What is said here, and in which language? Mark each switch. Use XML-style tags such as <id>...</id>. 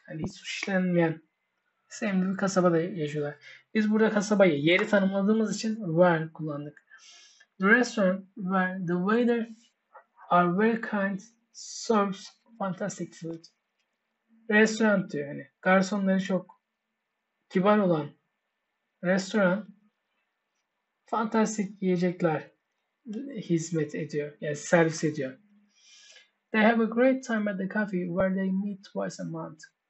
<tr>Yani hiç suç işlenmeyen sevimli bir kasabada yaşıyorlar. Biz burada kasabayı, yeri tanımladığımız için where kullandık.</tr> <en>The restaurant where the waiters are very kind serves fantastic food.</en> <tr>Restaurant diyor yani. Garsonları çok kibar olan restoran fantastik yiyecekler hizmet ediyor. Yani servis ediyor.</tr> <en>They have a great time at the cafe where they meet twice a month.</en>